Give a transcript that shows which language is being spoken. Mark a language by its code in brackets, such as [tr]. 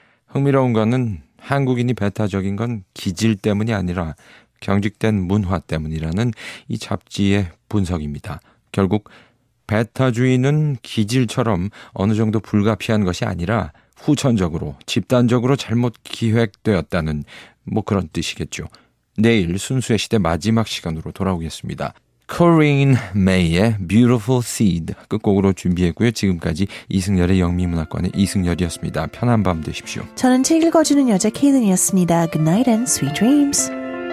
[ko] 흥미로운 것은 한국인이 베타적인 건 기질 때문이 아니라 경직된 문화 때문이라는 이 잡지의 분석입니다. 결국 베타주의는 기질처럼 어느 정도 불가피한 것이 아니라 후천적으로 집단적으로 잘못 기획되었다는 뭐 그런 뜻이겠죠. 내일 순수의 시대 마지막 시간으로 돌아오겠습니다. Corinne May의 Beautiful Seed 끝곡으로 준비했고요. 지금까지 이승열의 영미문학관의 이승열이었습니다. 편한 밤 되십시오. 저는 책 읽어주는 여자 케이든이었습니다. [en] Good night and sweet dreams.